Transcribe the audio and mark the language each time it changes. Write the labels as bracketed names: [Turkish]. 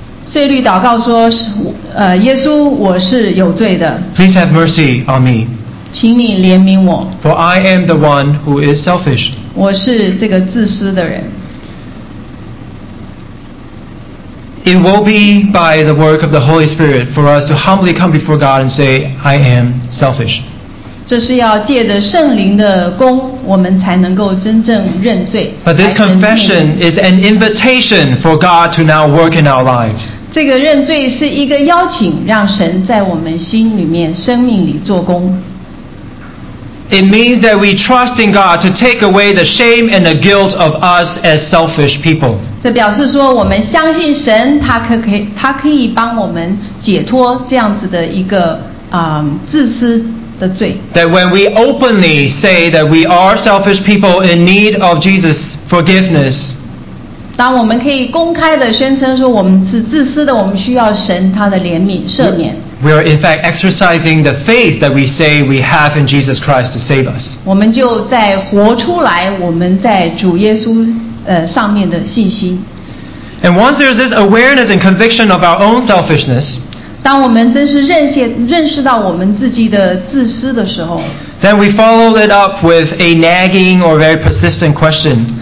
[Chinese] 税律祷告说耶稣我是有罪的。 [English] Please have mercy on me. [Chinese] 请你怜悯我。 [English] For I am the one who is selfish. [Chinese] 我是这个自私的人。 [English] It will be by the work of the Holy Spirit for us to humbly come before God and say, I am selfish. [Chinese] 这是要借着圣灵的工我们才能够真正认罪。 [English] But this confession is an invitation for God to now work in our lives. [Chinese] 这个认罪是一个邀请让神在我们心里面生命里做工。 [English] It means that we trust in God to take away the shame and the guilt of us as selfish people. [Chinese] 这表示说我们相信神他可以帮我们解脱这样子的一个、自私的罪。 [English] That when we openly say that we are selfish people in need of Jesus' forgiveness, [Chinese] 当我们可以公开地宣称说我们是自私的，我们需要神他的怜悯赦免。 [English] We are in fact exercising the faith that we say we have in Jesus Christ to save us. [Chinese] 我们就在活出来我们在主耶稣上面的信心。 [English] And once there is this awareness and conviction of our own selfishness. [Chinese] 当我们真是认识到我们自己的自私的时候， [English] Then we follow it up with a nagging or very persistent question.